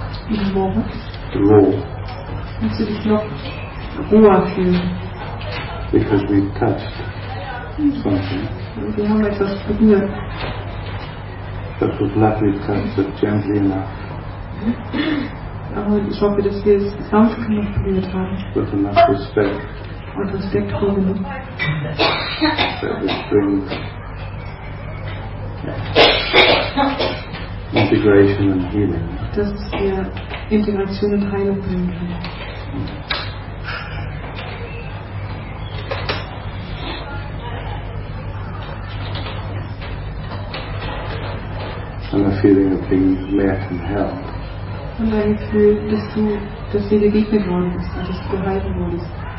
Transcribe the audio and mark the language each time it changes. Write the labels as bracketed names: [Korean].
[English] Even more what? Raw. [German] Und so dich noch roher fühlen. [English] Because we touched something. [German] Wir haben etwas berührt. [English] But with love we touched it gently enough. [German] Aber ich hoffe, dass wir es sanft genug berührt haben. [English] With enough respect. [German] Und Respekt vor dem. [English] That it brings integration and healing. [German] Das ist ja Integration und Heilung bringen kann. [English] And a feeling of being met and held. [German] Und ein Gefühl, dass dir begegnet worden bist und dass du gehalten wurdest.